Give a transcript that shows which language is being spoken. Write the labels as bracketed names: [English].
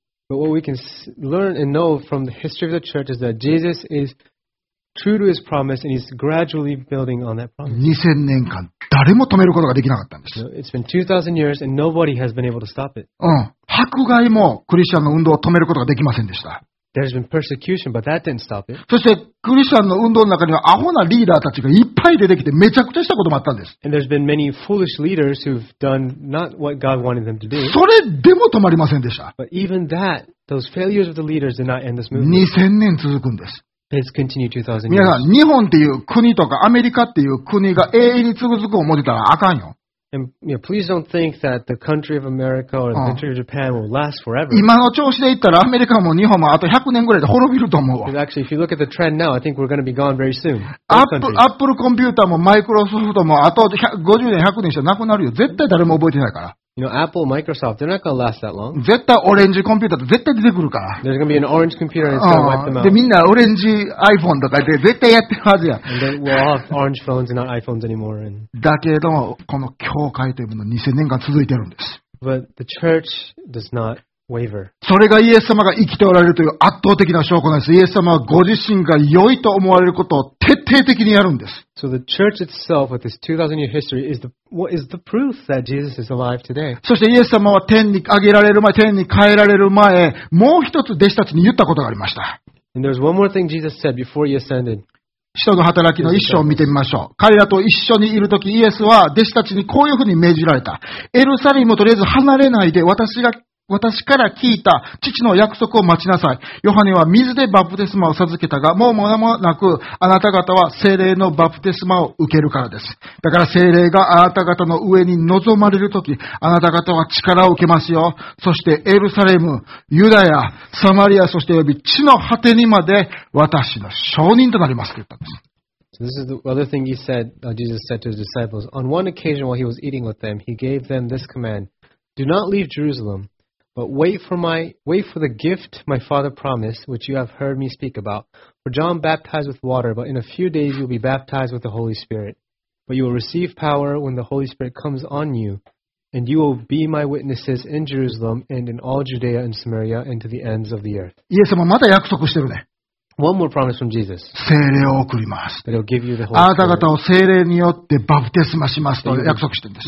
[English] But what we can learn and know from the history of the church is that Jesus is true to his promise and he's gradually building on that promise. [Japanese] 2000年間誰も止めることができなかったんです。 [English] It's been 2000 years and nobody has been able to stop it. [Japanese] 迫害もクリスチャンの運動を止めることができませんでした。 [English] There's been persecution, but that didn't stop it. [Japanese] そしてクリスチャンの運動の中にはアホなリーダーたちがいっぱい出てきてめちゃくちゃしたこともあったんです。 [English] And there's been many foolish leaders who've done not what God wanted them to do. [Japanese] それでも止まりませんでした。 [English] But even that, those failures of the leaders did not end this movement. [Japanese] 2000年続くんです。 [English] It's continued 2000 years. [Japanese] 皆さん、日本っていう国とかアメリカっていう国が永遠に続く思ってたらあかんよ。 [English] And you know, please don't think that the country of America or the country of Japan will last forever. [Japanese] 今の調子でいったらアメリカも日本もあと100年ぐらいで滅びると思うわ。 [English] Actually, if you look at the trend now, I think we're going to be gone very soon. [Japanese] Apple コンピューターもマイクロソフトもあと50年100年したらなくなるよ。絶対誰も覚えてないから。 [English] You know, Apple, Microsoft, they're not going to last that long. [Japanese] 絶対オレンジコンピューターって絶対出てくるから。 [English] There's going to be an orange computer and it's going to wipe them out. [Japanese] で、みんなオレンジ iPhone とかで絶対やってるはずや。 [English] And then we'll all have orange phones and not iPhones anymore. And... [Japanese] だけど、この教会というものは2000年間続いてるんです。 [English] But the church does not waver. [Japanese] それがイエス様が生きておられるという圧倒的な証拠なんです。イエス様はご自身が良いと思われることを徹底的にやるんです。 [English] So the church itself with this 2000 year history is the what is the proof that Jesus is alive today? [Japanese] そしてイエス様は天に上げられる前、天に帰られる前、もう一つ弟子たちに言ったことがありました。 [English] And there's one more thing Jesus said before he ascended. [Japanese] 使徒の働きの一章を見てみましょう。彼らと一緒にいるときイエスは弟子たちにこういうふうに命じられた。エルサレムとりあえず離れないで私から聞いた父の約束を待ちなさい。ヨハネは水でバプテスマを授けたが、もう間もなくあなた方は聖霊のバプテスマを受けるからです。だから聖霊があなた方の上に臨まれるとき、あなた方は力を受けますよ。そしてエルサレム、ユダヤ、サマリア、そして及び地の果てにまで私の証人となりますと言ったんです。 [English] So、this is the other thing he said, Jesus said to his disciples. On one occasion while he was eating with them, he gave them this command. Do not leave Jerusalem. But wait for the gift my father promised, which you have heard me speak about. For John baptized with water, but in a few days you will be baptized with the Holy Spirit. But you will receive power when the Holy Spirit comes on you, and you will be my witnesses in Jerusalem and in all Judea and Samaria and to the ends of the earth. [Japanese] イエス様また約束してるね。 [English] One more promise from Jesus. [Japanese] 聖霊を送ります。 [English] That he'll give you the Holy Spirit. [Japanese] あなた方を聖霊によってバプテスマしますと約束してるんです。